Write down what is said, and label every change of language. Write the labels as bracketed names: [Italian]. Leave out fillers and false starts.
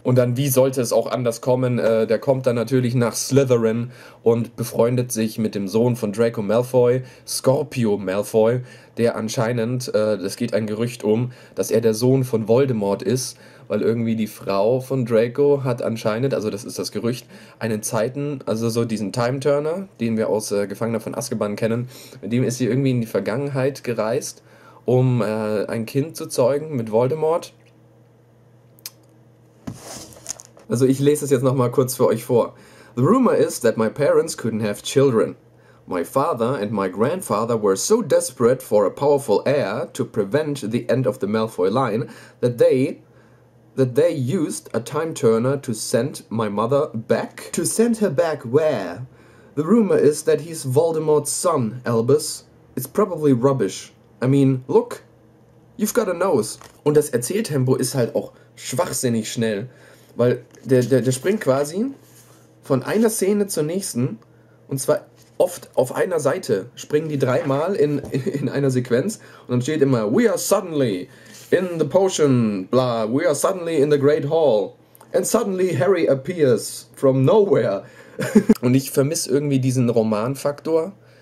[German] Und dann, wie sollte es auch anders kommen? Der kommt dann natürlich nach Slytherin und befreundet sich mit dem Sohn von Draco Malfoy, Scorpio Malfoy, der anscheinend, das geht ein Gerücht um, dass er der Sohn von Voldemort ist, weil irgendwie die Frau von Draco hat anscheinend, also das ist das Gerücht, einen Zeiten, also so diesen Time-Turner, den wir aus Gefangener von Azkaban kennen, mit dem ist sie irgendwie in die Vergangenheit gereist, um ein Kind zu zeugen mit Voldemort. Also ich lese es jetzt nochmal kurz für euch vor. [English] The rumor is that my parents couldn't have children. My father and my grandfather were so desperate for a powerful heir to prevent the end of the Malfoy line that they used a time-turner to send my mother back. To send her back where? The rumor is that he's Voldemort's son, Albus. It's probably rubbish. I mean, look, you've got a nose. [German] Und das Erzähltempo ist halt auch schwachsinnig schnell, weil der springt quasi von einer Szene zur nächsten, und zwar oft auf einer Seite springen die dreimal in einer Sequenz, und dann steht immer, [English] we are suddenly in the potion, blah, we are suddenly in the great hall, and suddenly Harry appears from nowhere. [German] Und ich vermisse irgendwie diesen Romanfaktor.